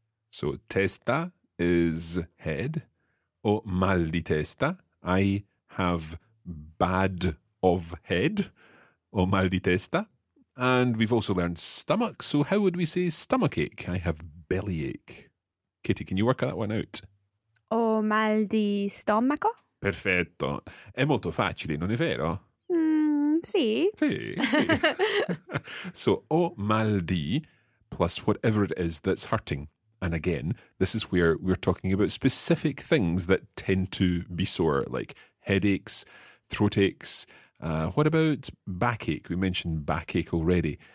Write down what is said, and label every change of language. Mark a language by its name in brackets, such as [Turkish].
[English] So testa is head. [Italian] Ho mal di testa. [English] I have bad of head. [Italian] Ho mal di testa. [English] And we've also learned stomach. So how would we say stomach ache? I have belly ache. Katie, can you work that one out? [Italian] O mal di stomaco. Perfetto. È molto facile, non è vero? Sì. Sì, sì. [English] So, [Italian] o mal di [English] plus whatever it is that's hurting. And again, this is where we're talking about specific things that tend to be sore, like headaches, throat aches. What about backache? We mentioned backache already.